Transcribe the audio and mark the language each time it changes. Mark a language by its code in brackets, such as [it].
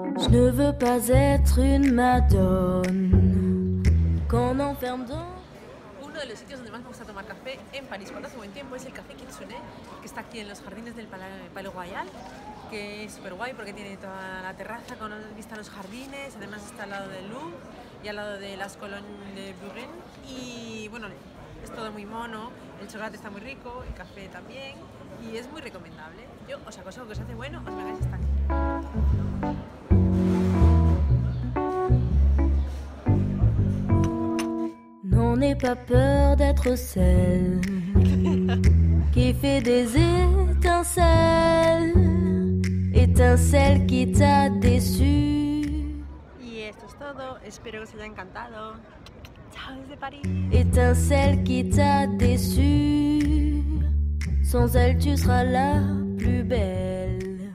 [fr] Ne veux pas être une madone qu'on enferme dans... [es] Uno de los sitios donde más me gusta tomar café en París cuando hace buen tiempo es el Café Kitsune, que está aquí en los jardines del Palais Royal, que es súper guay porque tiene toda la terraza con vista a los jardines, además está al lado del Louvre y al lado de las Colonnes de Bourgogne, y bueno, es todo muy mono, el chocolate está muy rico, el café también, y es muy recomendable. Yo os aconsejo que os hace bueno, os vengáis hasta aquí. [fr] N'aie pas peur d'être celle qui fait des étincelles, étincelles qui t'a déçu. [es] Y esto es todo, espero que os haya encantado. Chao desde París. [fr] Étincelles qui t'a déçu, sans elle tu seras la plus belle.